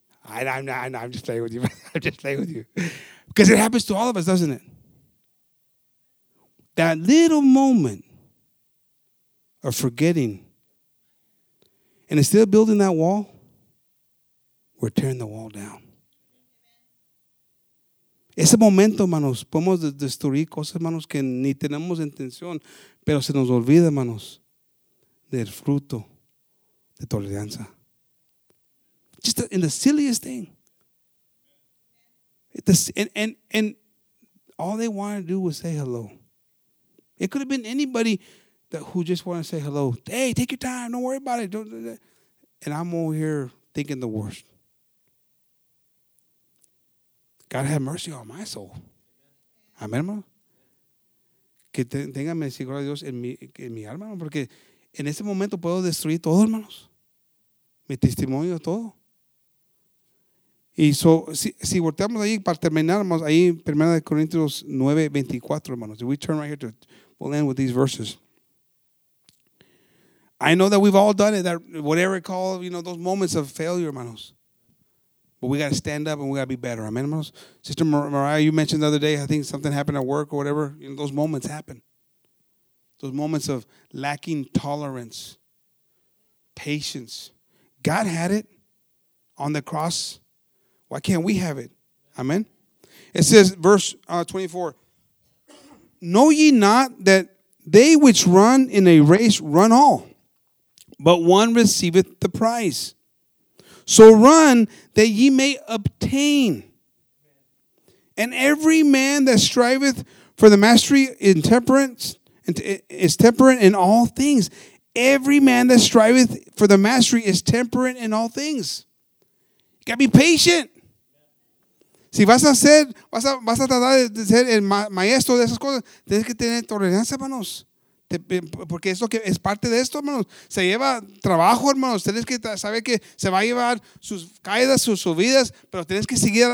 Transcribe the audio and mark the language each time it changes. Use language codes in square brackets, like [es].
[en] I'm just playing with you. I'm just playing with you. Because it happens to all of us, doesn't it? That little moment of forgetting, and instead of building that wall, we're tearing the wall down. [es] Ese momento, hermanos, podemos destruir cosas, hermanos, que ni tenemos intención, pero se nos olvida, hermanos. Del fruto de tolerancia. [en] Just in the silliest thing. And all they wanted to do was say hello. It could have been anybody who just wanted to say hello. Hey, take your time. Don't worry about it. And I'm over here thinking the worst. God have mercy on my soul. Amen, hermano. [es] Que tenga misericordia de Dios en mi alma, hermano, porque en ese momento puedo destruir todo, hermanos. Mi testimonio, todo. Y so, si volteamos ahí para terminar, hermanos, ahí en 1 Corintios 9, 24, hermanos. [en] If we turn right here, we'll end with these verses. I know that we've all done it, that whatever it called, you know, those moments of failure, hermanos. But we got to stand up and we got to be better. Amen, hermanos. Sister Mariah, you mentioned the other day, I think something happened at work or whatever. You know, those moments happen. Those moments of lacking tolerance, patience. God had it on the cross. Why can't we have it? Amen. It says, verse 24, know ye not that they which run in a race run all, but one receiveth the prize. So run that ye may obtain. And every man that striveth for the mastery in temperance, is temperate in all things. Every man that striveth for the mastery is temperate in all things. You got to be patient. [es] Si vas a ser, vas a tratar de ser el maestro de esas cosas, tienes que tener tolerancia, hermanos. Porque es lo que es parte de esto, hermanos. Se lleva trabajo, hermanos. Tienes que saber que se va a llevar sus caídas, sus subidas, pero tienes que seguir.